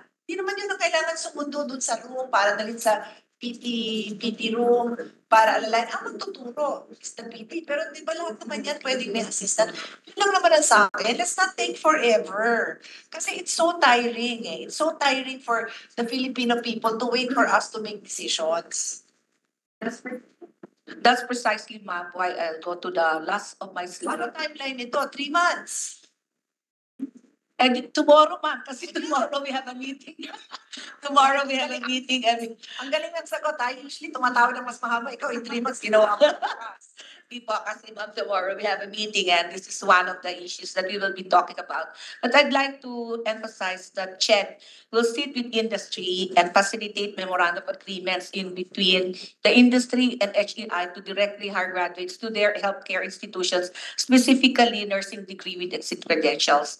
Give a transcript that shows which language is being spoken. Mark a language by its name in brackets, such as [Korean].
[Filipino] Di naman yun ang kailangan sumundo dun sa room para dalhin sa PT room para alalayan. Ang magtuturo [English] is the PT. [Filipino] Pero di ba lahat naman yan pwedeng may assistant? Yun lang naman ang sa akin. [English] Let's not take forever. [Filipino] Kasi [English] it's so tiring eh. It's so tiring for the Filipino people to wait for us to make decisions. That's precisely, ma'am, why I'll go to the last of my slide. [Filipino] Ano timeline nito? [English] 3 months. And tomorrow, ma'am, [Filipino] kasi [English] tomorrow we have a meeting. Tomorrow we have a meeting. And [Filipino] ang galing ng sagot, ay, usually tumatawa na mas mahaba. Ikaw, [English] in 3 months, [Filipino] ginawa ko. Di po, kasi [English] ma'am, tomorrow we have a meeting and this is one of the issues that we will be talking about. But I'd like to emphasize that CHED will sit with industry and facilitate memorandum of agreements in between the industry and HEI to directly hire graduates to their healthcare institutions, specifically nursing degree with exit credentials.